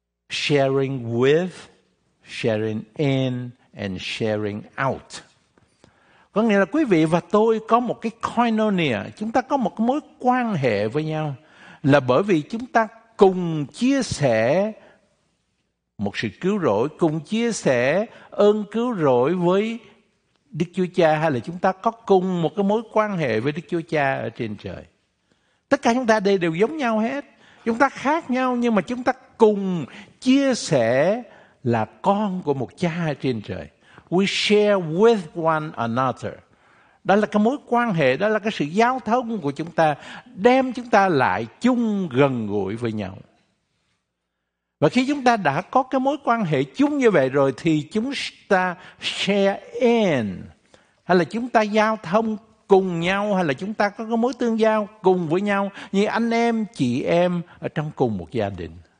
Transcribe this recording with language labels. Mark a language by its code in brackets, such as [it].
[en] Sharing with, sharing in, and sharing out. [vi] Có nghĩa là quý vị và tôi có một cái koinonia, chúng ta có một cái mối quan hệ với nhau, là bởi vì chúng ta cùng chia sẻ một sự cứu rỗi, cùng chia sẻ ơn cứu rỗi với Đức Chúa Cha, hay là chúng ta có cùng một cái mối quan hệ với Đức Chúa Cha ở trên trời. Tất cả chúng ta đều giống nhau hết. Chúng ta khác nhau nhưng mà chúng ta cùng chia sẻ là con của một Cha trên trời. [en] We share with one another. [vi] Đó là cái mối quan hệ, đó là cái sự giao thông của chúng ta, đem chúng ta lại chung gần gũi với nhau. Và khi chúng ta đã có cái mối quan hệ chung như vậy rồi thì chúng ta [en] share in, [vi] hay là chúng ta giao thông cùng nhau, hay là chúng ta có cái mối tương giao cùng với nhau như anh em, chị em ở trong cùng một gia đình.